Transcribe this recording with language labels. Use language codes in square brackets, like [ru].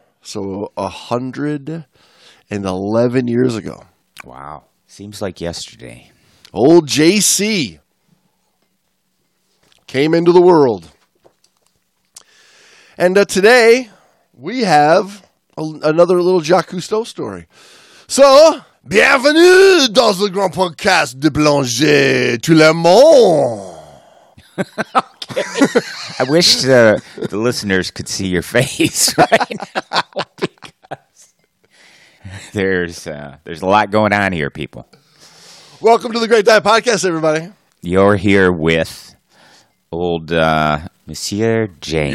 [en] So 111 years ago. Wow. Seems like yesterday. Old JC came into the world. And today, we have another little Jacques Cousteau story. [fr] So, bienvenue dans le grand podcast de plonger tout le monde. [en] I wish the listeners could see your face right now, because there's a lot going on here, people. Welcome to the Great Dive Podcast, everybody. You're here with old Monsieur James.